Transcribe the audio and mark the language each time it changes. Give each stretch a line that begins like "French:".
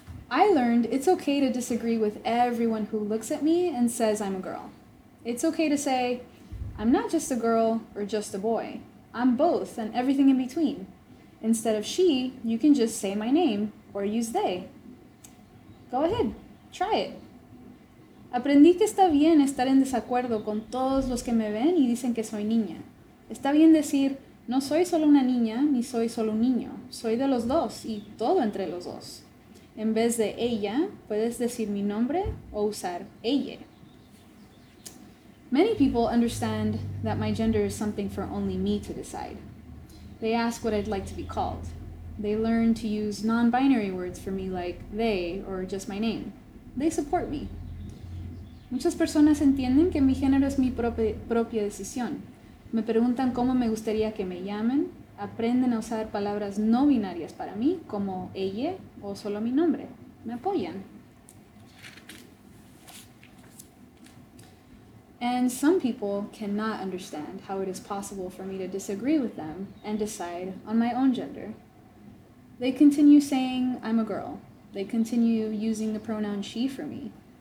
English: I learned it's okay to disagree with everyone who looks at me and says I'm a girl. It's okay to say, I'm not just a girl or just a boy. I'm both and everything in between. Instead of she, you can just say my name or use they. Go ahead, try it.
Spanish: Aprendí que está bien estar en desacuerdo con todos los que me ven y dicen que soy niña. Está bien decir, no soy solo una niña ni soy solo un niño. Soy de los dos y todo entre los dos. En vez de ella, puedes decir mi nombre o usar ella.
English: Many people understand that my gender is something for only me to decide. They ask what I'd like to be called. They learn to use non-binary words for me like they or just my name. They support me.
Spanish: Muchas personas entienden que mi género es mi propia decisión. Me preguntan cómo me gustaría que me llamen. Aprenden a usar palabras no binarias para mí, como ella o solo mi nombre. Me apoyan.
English: And some people cannot understand how it is possible for me to disagree with them and decide on my own gender. They continue saying I'm a girl. They continue using the pronoun she for me.